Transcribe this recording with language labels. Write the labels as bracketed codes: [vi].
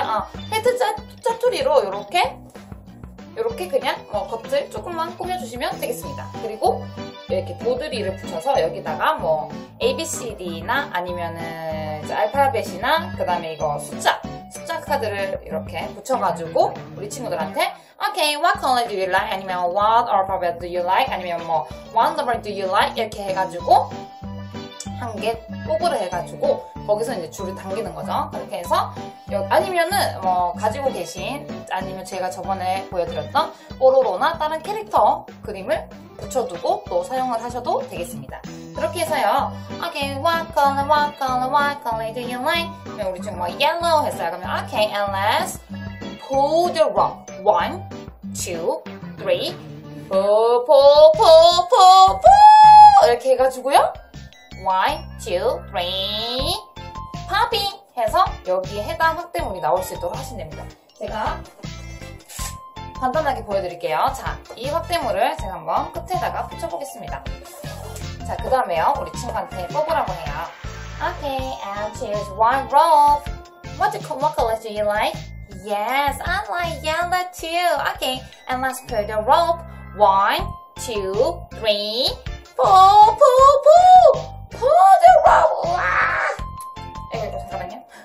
[ko] 아, 페트 짜투리로 요렇게 그냥, 겉을 조금만 꾸며주시면 되겠습니다. 그리고, 이렇게 보드리를 붙여서 여기다가 뭐, ABCD나 아니면은, 이제 알파벳이나, 그 다음에 이거 숫자 카드를 이렇게 붙여가지고, 우리 친구들한테, [en] Okay, what color do you like? 아니면, what alphabet do you like? [ko] 아니면 뭐, [en] what number do you like? [ko] 이렇게 해가지고, 한개 뽑으러 해가지고, 거기서 이제 줄을 당기는 거죠. 그렇게 해서, 아니면은, 가지고 계신, 아니면 제가 저번에 보여드렸던 뽀로로나 다른 캐릭터 그림을 붙여두고 또 사용을 하셔도 되겠습니다. 그렇게 해서요. [en] Okay, what color do you like? [ko] 그러면 우리 친구 뭐, yellow 했어요. 그러면, [en] Okay, and let's pull the rope. One, two, three. Pull, pull, pull, pull, pull! [ko] 이렇게 해가지고요. [en] One, two, three, popping [ko] 해서 여기에 해당 학대문이 나올 수 있도록 하시면 됩니다. 제가 간단하게 보여드릴게요. 자, 이 학대문을 제가 한번 끝에다가 붙여보겠습니다. 자, 그 다음에요. 우리 친구한테 뽑으라고 해요. [en] Okay, and choose one rope. What color do you like? Yes, I like yellow too. Okay, and let's pull the rope. One, two, three, four, pull, pull. Pull the rope! [ko] 우와! 잠깐만요.